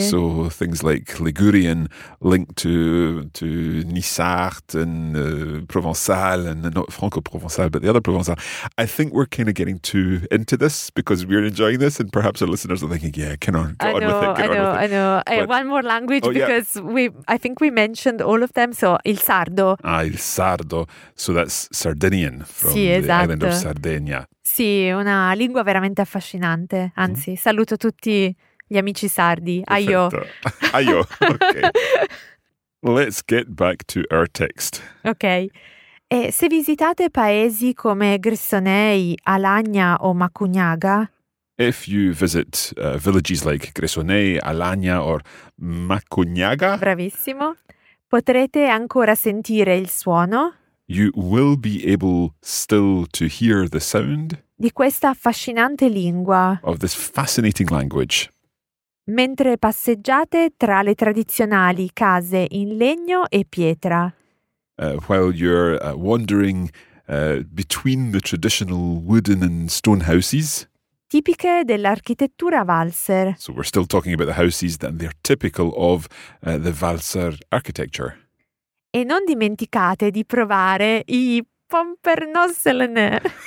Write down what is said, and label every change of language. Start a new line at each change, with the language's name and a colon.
English: So things like Ligurian linked to Nisart and Provençal and not Franco-Provençal, but the other Provençal. I think we're kind of getting too into this because we're enjoying this and perhaps our listeners are thinking, yeah, can I? I know. One more language I think we mentioned all of them. So, il sardo. Ah, il sardo. So that's Sardinian from
Italian: sì.
English: esatto. Island of Sardegna.
Italian: Sì, una lingua veramente affascinante. Anzi, saluto tutti gli amici sardi. Aio. Aio. Okay.
English: Let's get back to our text. Ok.
Italian: E se visitate paesi come Grissonei, Alagna o Macugnaga?
English: If you visit villages like Grissonei, Alagna or Macugnaga?
Italian: Bravissimo. Potrete ancora sentire il suono?
English: You will be able still to hear the sound
Italian: di questa affascinante lingua.
English: Of this fascinating language.
Italian: Mentre passeggiate tra le tradizionali case in legno e pietra.
English: While you're wandering between the traditional wooden and stone houses.
Italian: Tipiche dell'architettura valser.
English: So we're still talking about the houses that they're typical of the valser architecture.
Italian: E non dimenticate di provare i pompernosselene.